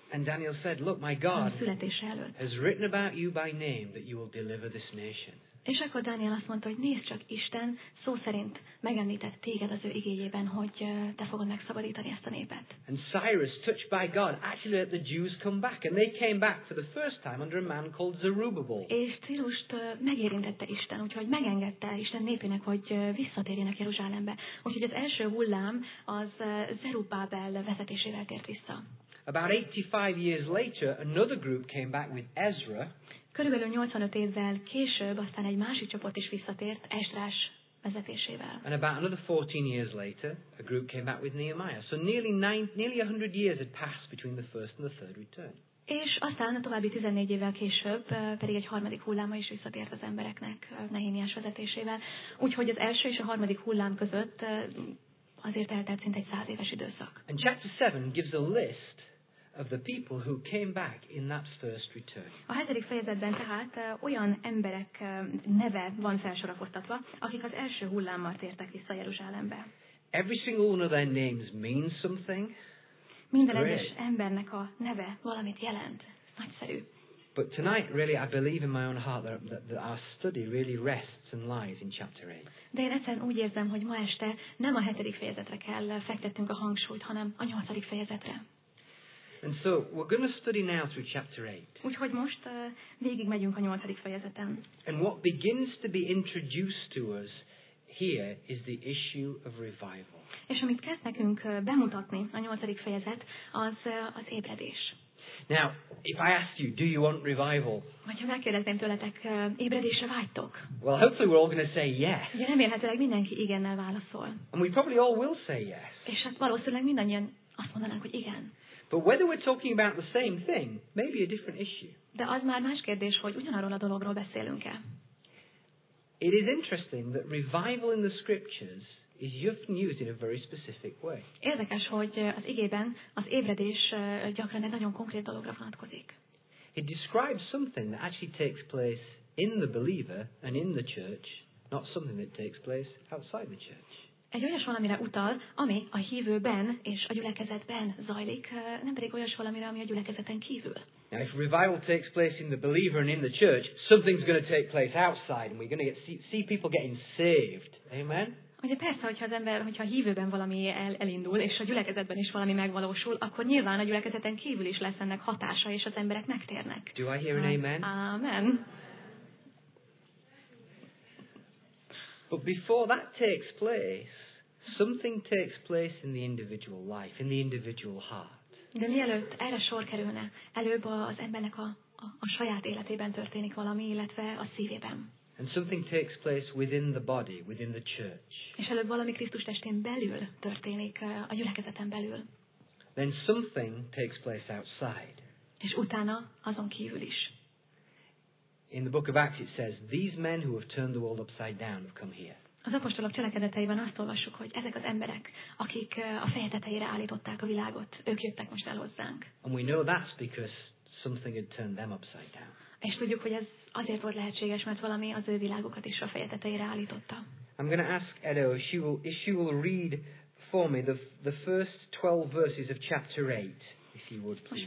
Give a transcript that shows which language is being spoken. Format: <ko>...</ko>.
<en>And Daniel said, "Look, my God has written about you by name that you will deliver this nation."</en> <hu>És akkor Dániel azt mondta, hogy nézd csak, Isten szó szerint megemlített téged az ő igényében, hogy te fogod megszabadítani ezt a népet.</hu> <en>And Cyrus, touched by God, actually let the Jews come back, and they came back for the first time under a man called Zerubbabel.</en> <hu>És Cyrust megérintette Isten, úgyhogy megengedte Isten népének, hogy visszatérjenek Jeruzsálembe. Úgyhogy az első hullám az Zerubbábel vezetésével tért vissza.</hu> <en>About 85 years later, another group came back with Ezra.</en> <hu>Körülbelül 85 évvel később aztán egy másik csoport is visszatért Esdrás vezetésével.</hu> <en>And about another 14 years later, a group came back with Nehemiah. So nearly 100 years had passed between the first and the third return.</en> <hu>És aztán a további 14 évvel később pedig egy harmadik hulláma is visszatért az embereknek Nehémiás vezetésével. Úgyhogy az első és a harmadik hullám között azért eltelt szinte egy 100 éves időszak.</hu> <en>And chapter 7 gives a list of the people who came back in that first return.</en> <hu>A hetedik fejezetben tehát olyan emberek neve van felsorakoztatva, akik az első hullámmal tértek vissza Jeruzsálembe.</hu> <en>Every single one of their names means something.</en> <hu>Minden egyes embernek a neve valamit jelent. Nagyszerű.</hu> <en>But tonight, really, I believe in my own heart that our study really rests and lies in chapter 8.</en> <hu>De én egyszerűen úgy érzem, hogy ma este nem a hetedik fejezetre kell fektetnünk a hangsúlyt, hanem a nyolcadik fejezetre.</hu> <en>And so we're going to study now through chapter 8.</en> <hu>Úgyhogy most végig megyünk a 8. fejezeten.</hu> <en>And what begins to be introduced to us here is the issue of revival.</en> <hu>És amit kezd nekünk bemutatni a 8. fejezet, az az ébredés.</hu> <en>Now, if I asked you, do you want revival?</en> <hu>Hogyha megkérdezném tőletek, ébredésre vágytok?</hu> <en>Well, hopefully we're all going to say yes.</en> <hu>Ja, remélhetőleg mindenki igennel válaszol.</hu> <en>And we probably all will say yes.</en> <hu>És hát valószínűleg mindannyian azt mondanánk, hogy igen.</hu> <en>But whether we're talking about the same thing, maybe a different issue.</en> <hu>De az már más kérdés, hogy ugyanarról a dologról beszélünk-e.</hu> <en>It is interesting that revival in the scriptures is often used in a very specific way.</en> <hu>Érdekes, hogy az igében az ébredés gyakran egy nagyon konkrét dologra vonatkozik.</hu> <en>It describes something that actually takes place in the believer and in the church, not something that takes place outside the church.</en> <hu>Egy olyas valamire utal, ami a hívőben és a gyülekezetben zajlik, nem pedig olyas valamire, ami a gyülekezeten kívül.</hu> <en>Now, if revival takes place in the believer and in the church, something's going to take place outside, and we're going to see people getting saved. Amen?</en> <hu>Ugye persze, hogyha az ember, hogyha a hívőben valami elindul, és a gyülekezetben is valami megvalósul, akkor nyilván a gyülekezeten kívül is lesz ennek hatása, és az emberek megtérnek.</hu> <en>Do I hear an amen? Amen. But before that takes place, something takes place in the individual life, in the individual heart.</en> <hu>De mielőtt erre sor kerülne, előbb az embernek a saját életében történik valami, illetve a szívében.</hu> <en>And something takes place within the body, within the church.</en> <hu>És előbb valami Krisztus testén belül történik, a gyülekezeten belül.</hu> <en>Then something takes place outside.</en> <hu>És utána azon kívül is.</hu> <en>In the book of Acts it says, these men who have turned the world upside down have come here.</en> <hu>Az apostolok cselekedeteiben azt olvassuk, hogy ezek az emberek, akik a feje tetejére állították a világot, ők jöttek most el hozzánk.</hu> <en>And we know that's because something had turned them upside down.</en> <hu>És tudjuk, hogy ez azért volt lehetséges, mert valami az ő világukat is a feje tetejére állította.</hu> <en>I'm going to ask Edo if she will read for me the first 12 verses of chapter 8, if you would please.</en>